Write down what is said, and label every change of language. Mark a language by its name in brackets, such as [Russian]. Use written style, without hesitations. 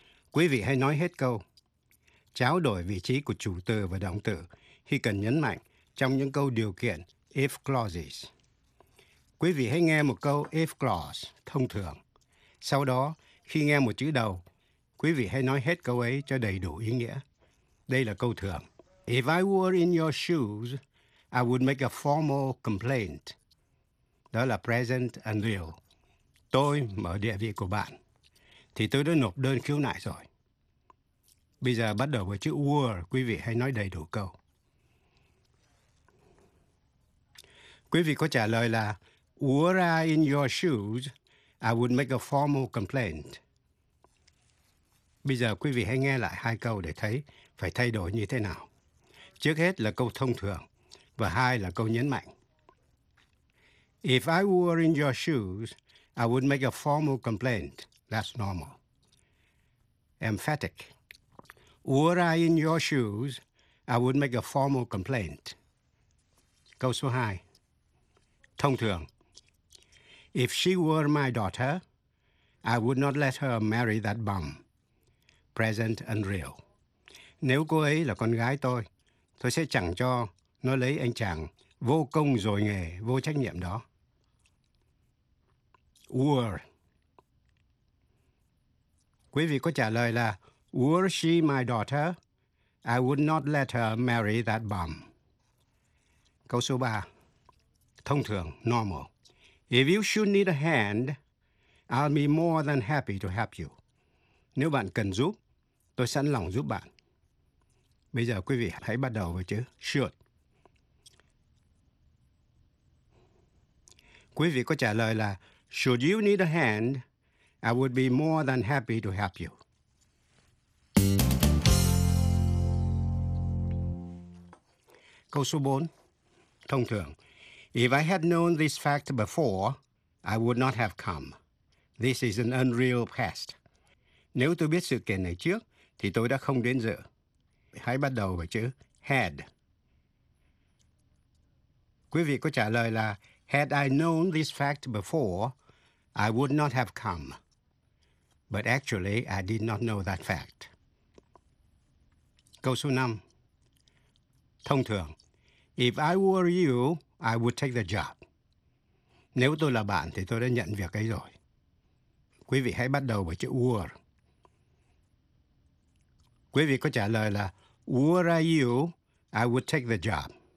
[Vietnamese] Quý vị hãy nói hết câu. Trao đổi vị trí của chủ từ và động từ khi cần nhấn mạnh trong những câu điều kiện if clauses. Quý vị hãy nghe một câu if clause thông thường. Sau đó, khi nghe một chữ đầu, quý vị hãy nói hết câu ấy cho đầy đủ ý nghĩa. Đây là câu thường. [English] If I were in your shoes, I would make a formal complaint. [Vietnamese] Đó là [English] present and real. [Vietnamese] Tôi mở địa vị của bạn, thì tôi đã nộp đơn khiếu nại rồi. Bây giờ bắt đầu với chữ were, quý vị hãy nói đầy đủ câu. Quý vị có trả lời là [English] were I in your shoes, I would make a formal complaint. [Vietnamese] Bây giờ quý vị hãy nghe lại hai câu để thấy phải thay đổi như thế nào. Trước hết là câu thông thường, và hai là câu nhấn mạnh. [English] If I were in your shoes, I would make a formal complaint. That's normal. Emphatic. Were I in your shoes, I would make a formal complaint. [Vietnamese] Câu số 2. Thông thường. [English] If she were my daughter, I would not let her marry that bum. Present and real. [Vietnamese] Nếu cô ấy là con gái tôi sẽ chẳng cho nó lấy anh chàng vô công rồi nghề, vô trách nhiệm đó. [English] Were. [Vietnamese] Quý vị có trả lời là [English] were she my daughter, I would not let her marry that bum. [Vietnamese] Câu số 3. Thông thường, [English] normal. If you should need a hand, I'll be more than happy to help you. [Vietnamese] Nếu bạn cần giúp, tôi sẵn lòng giúp bạn. Bây giờ quý vị hãy bắt đầu với chữ should. Quý vị có trả lời là [English] should you need a hand, I would be more than happy to help you. [Vietnamese] Câu số 4. Thông thường. [English] If I had known this fact before, I would not have come. This is an unreal past. [Vietnamese] Nếu tôi biết sự kiện này trước, thì tôi đã không đến dự. Hãy bắt đầu với chữ had. Quý vị có trả lời là [English] had I known this fact before, I would not have come. But actually, I did not know that fact. [Vietnamese] Câu số 5. Thông thường. [English] If I were you, I would take the job. [Vietnamese] Nếu tôi là bạn thì tôi đã nhận việc ấy rồi. Quý vị hãy bắt đầu với chữ were. Quý vị có trả lời là [English] were I you, I would take the job.